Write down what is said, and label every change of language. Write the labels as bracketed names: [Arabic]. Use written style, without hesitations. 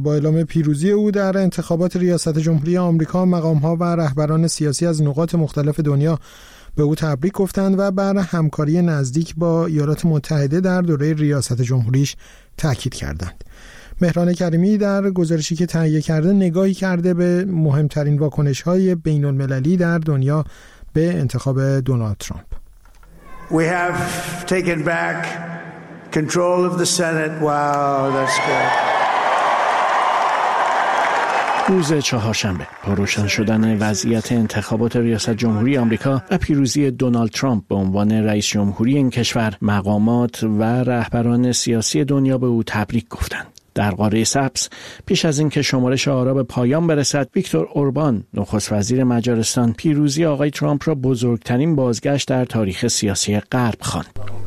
[Persian] با اعلام پیروزی او در انتخابات ریاست جمهوری آمریکا، مقام‌ها و رهبران سیاسی از نقاط مختلف دنیا به او تبریک گفتند و بر همکاری نزدیک با ایالات متحده در دوره ریاست جمهوریش تأکید کردند. مهران کریمی در گزارشی که تهیه کرده نگاهی کرده به مهمترین واکنش‌های بین‌المللی در دنیا به انتخاب دونالد ترامپ. [English] We have taken back control of the Senate. Wow, that's good. [Persian] روز چهارشنبه با روشن شدن وضعیت انتخابات ریاست جمهوری آمریکا و پیروزی دونالد ترامپ به عنوان رئیس جمهوری این کشور، مقامات و رهبران سیاسی دنیا به او تبریک گفتند. در قاره سبز پیش از اینکه شمارش آرا به پایان برسد، ویکتور اوربان نخست وزیر مجارستان پیروزی آقای ترامپ را بزرگترین بازگشت در تاریخ سیاسی غرب خواند.